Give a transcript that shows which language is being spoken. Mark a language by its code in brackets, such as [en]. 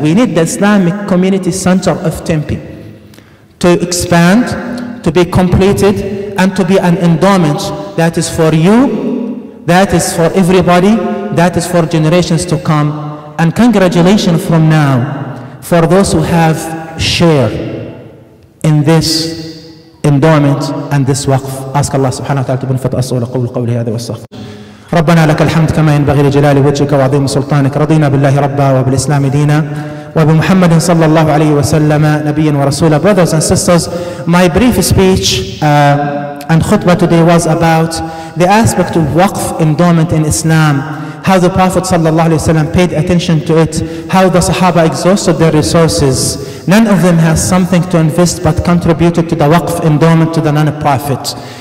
[en] We need the Islamic Community Center of Tempe to expand, to be completed, and to be an endowment that is for you, that is for everybody, that is for generations to come. And congratulations from now for those who have share in this endowment and this waqf. Ask Allah subhanahu wa ta'ala to benefit us all. [ar] قول قولي هذا واستغفر. ربنا لك الحمد كما ينبغي لجلال وجهك وعظيم سلطانك. رضينا بالله ربا وبالإسلام دينا وبمحمد صلى الله عليه وسلم نبيا ورسولا. [en] Brothers and sisters, my brief speech and khutbah today was about the aspect of waqf, endowment in Islam, how the Prophet صلى الله عليه وسلم paid attention to it, how the Sahaba exhausted their resources. None of them has something to invest but contributed to the waqf, endowment to the non-profit.